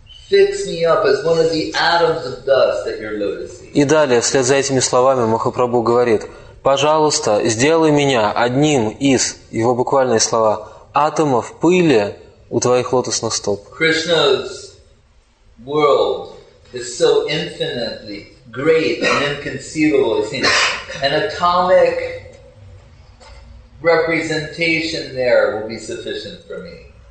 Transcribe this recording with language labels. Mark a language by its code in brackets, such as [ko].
[en] Fix me up as one of the atoms of dust at your lotus feet. [ru] И далее, вслед за этими словами, Махапрабху говорит, пожалуйста, сделай меня одним из, его буквальные слова, атомов пыли у твоих лотосных стоп. [en] Krishna's world is so infinitely great and inconceivable, I think. An atomic representation there will be sufficient for me.